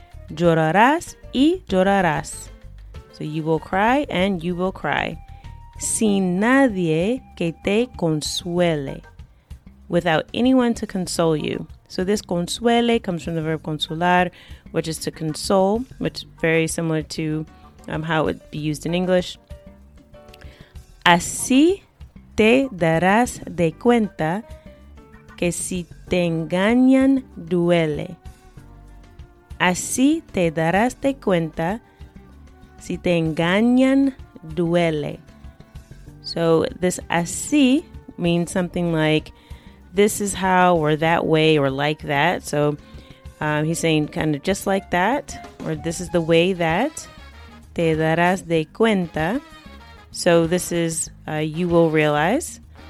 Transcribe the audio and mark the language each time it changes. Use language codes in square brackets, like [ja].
[es] Llorarás y llorarás. [en] So you will cry and you will cry. [es] Sin nadie que te consuele. [en] Without anyone to console you. So this consuele comes from the verb consolar, which is to console, which is very similar to how it would be used in English. [es] Así te darás de cuenta que si te engañan duele. Así te darás de cuenta si te engañan duele. [en] So this así means something like this is how or that way or like that. So he's saying kind of just like that or this is the way that. [es] Te darás de cuenta. [en] So this is you will realize.